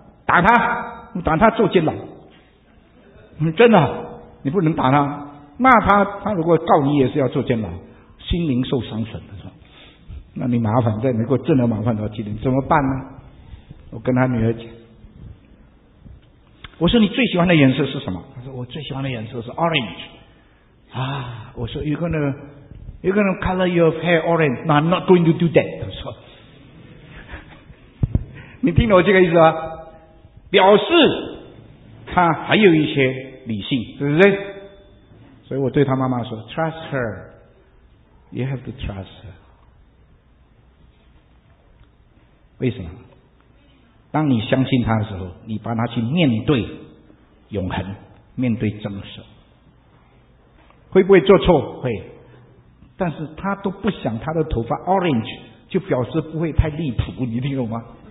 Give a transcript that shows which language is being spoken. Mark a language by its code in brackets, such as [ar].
[zh] 打他，打他坐监牢。真的，你不能打他，骂他，他如果告你也是要坐监牢，心灵受伤损的。那你麻烦，再能够真的麻烦到今天怎么办呢？我跟他女儿讲，我说你最喜欢的颜色是什么？他说我最喜欢的颜色是 orange 啊。我说 [en] you're gonna color your hair orange? No, I'm not going to do that. [zh] 他说你听懂我这个意思吗？表示他还有一些理性，是不是？所以我对他妈妈说 [en] trust her, you have to trust her. [zh] 为什么？当你相信他的时候，你帮他去面对永恒，面对真实。会不会做错？会。但是他都不想他的头发 orange, 就表示不会太离谱，你听懂吗？